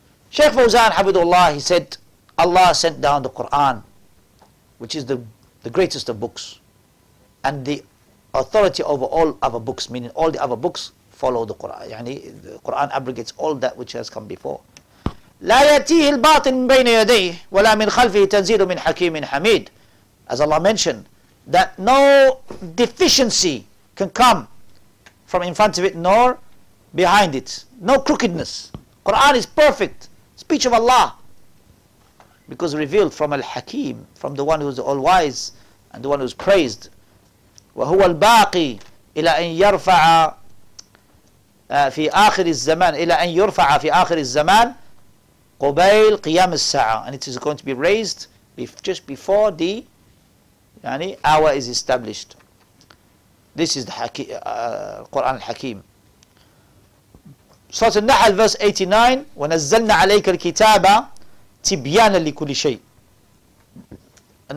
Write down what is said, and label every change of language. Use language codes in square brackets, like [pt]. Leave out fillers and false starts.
[en] Shaykh Fawzan, Habibullah, he said, Allah sent down the Qur'an, which is the greatest of books. And the authority over all other books, meaning all the other books, follow the Qur'an. Yani, the Qur'an abrogates all that which has come before. [ar] لا يأتيه الباطن بين يديه ولا من خلفه تنزيل من حكيم حميد. [en] As Allah mentioned, that no deficiency can come from in front of it nor behind it. No crookedness. Quran is perfect. Speech of Allah. Because revealed from Al-Hakim, from the one who is all wise and the one who is praised. [ar] وهو الباقي إلى أن يرفع في آخر الزمان إلى أن يرفع في آخر الزمان قبيل قيام الساعة. [en] And it is going to be raised just before the يعني, hour is established. This is the Quran al-Hakim. Surah An-Nahl, verse 89, [ar] وَنَزَّلْنَا عَلَيْكَ الْكِتَابَ تِبْيَانًا لِكُلِّ شَيْءٍ.